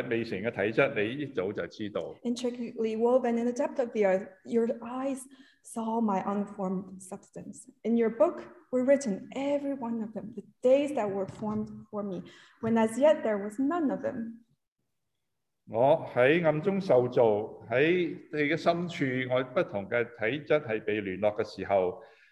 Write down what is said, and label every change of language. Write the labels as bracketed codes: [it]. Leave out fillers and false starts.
[zh] 在15、16节那里说，我的形体并不成形的时候，并不向你隐藏，我的未成的体质，你一早就知道。 [en] Intricately woven in the depth of the earth, your eyes saw my unformed substance. In your book were written every one of them, the days that were formed for me, when as yet there was none of them. [zh] 我在暗中受造，在你的深处，我不同的体质是被联络的时候。